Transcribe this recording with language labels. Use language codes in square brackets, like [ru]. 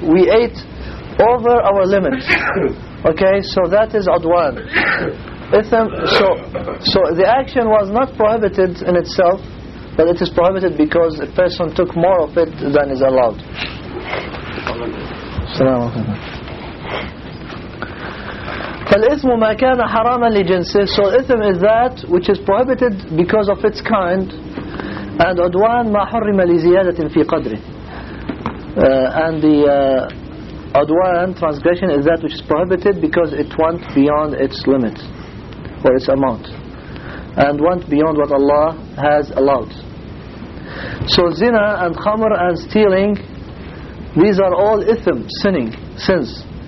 [en] We ate over our limit. Okay, so that is Adwan. Ithm, so the action was not prohibited in itself, but it is prohibited because a person took more of it than is allowed. [ar] فالإثم ما كان حراما لجنسه. [en] So Ithm is that which is prohibited because of its kind. And Adwan [ar] ما حرم لزيادة في قدره. [en] And the Adwan, transgression, is that which is prohibited because it went beyond its limit or its amount, and went beyond what Allah has allowed. So zina and khamr and stealing, these are all ithm, sinning, sins.